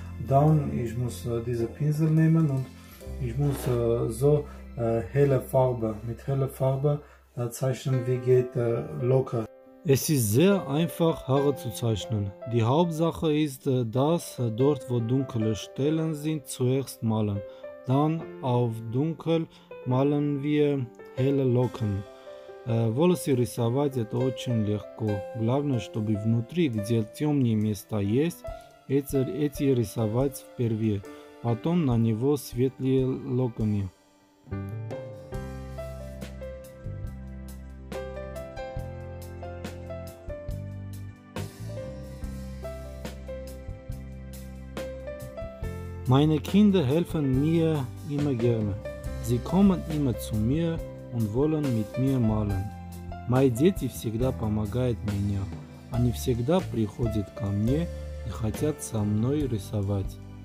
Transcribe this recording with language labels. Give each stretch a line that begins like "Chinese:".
German: Dann ich muss diese Pinsel nehmen und ich muss so helle Farbe, mit heller Farbe zeichnen, wie geht locker. Es ist sehr einfach, Haare zu zeichnen. Die Hauptsache ist, dass dort, wo dunkle Stellen sind, zuerst malen. Dann auf dunkel malen wir helle Locken.
Russian: Волосы рисовать это очень легко. Главное, чтобы внутри, где темные места есть, эти рисовать впервые. Потом на него светлые локоны.
German: Meine Kinder helfen mir immer gerne. Sie kommen immer zu mir und wollen mit mir malen.
Russian: Мои дети всегда помогают мне. Они всегда приходят ко мне и хотят со мной рисовать.